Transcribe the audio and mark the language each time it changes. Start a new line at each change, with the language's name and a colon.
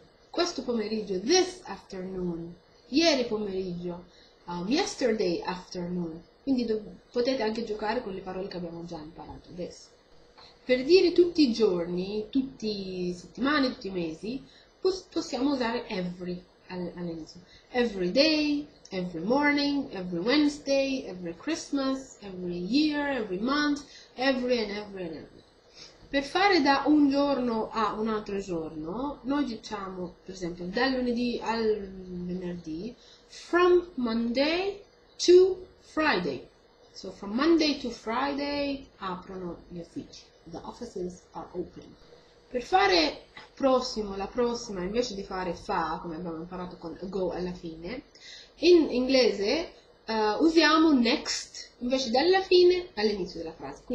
Italian: Questo pomeriggio,
English: this afternoon.
Italian: Ieri pomeriggio,
English: yesterday afternoon.
Italian: Quindi potete anche giocare con le parole che abbiamo già imparato, this. Per dire tutti i giorni, tutte le settimane, tutti i mesi, possiamo usare every all'inizio.
English: Every day, every morning, every Wednesday, every Christmas, every year, every month, every and every and every.
Italian: Per fare da un giorno a un altro giorno, noi diciamo, per esempio, dal lunedì al venerdì,
English: from Monday to Friday. So from Monday to Friday
Italian: aprono gli uffici.
English: The offices are open.
Italian: Per fare prossimo, la prossima, invece di fare fa, come abbiamo imparato con go alla fine, in inglese usiamo next invece dalla fine all'inizio della frase.